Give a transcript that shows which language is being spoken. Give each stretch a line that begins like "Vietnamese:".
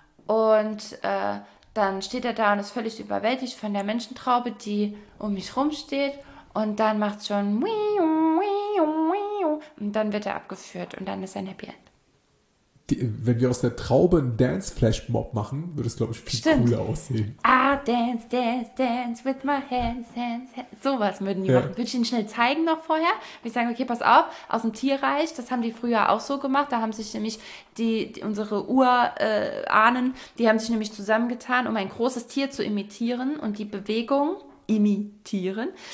German: Und dann steht er da und ist völlig überwältigt von der Menschentraube, die um mich rumsteht. Und dann macht es schon. Und dann wird er abgeführt und dann ist ein Happy End. Wenn wir aus der Traube einen Dance-Flash-Mob machen, würde es, glaube ich, viel Stimmt. cooler aussehen.
English: Ah, dance, dance, dance with my hands, hands, hands.
German: Sowas würden die machen. Würde ich ihnen schnell zeigen noch vorher? Würde ich sagen, okay, pass auf, aus dem Tierreich, das haben die früher auch so gemacht. Da haben sich nämlich unsere Urahnen, die haben sich nämlich zusammengetan, um ein großes Tier zu imitieren und die Bewegung imitieren.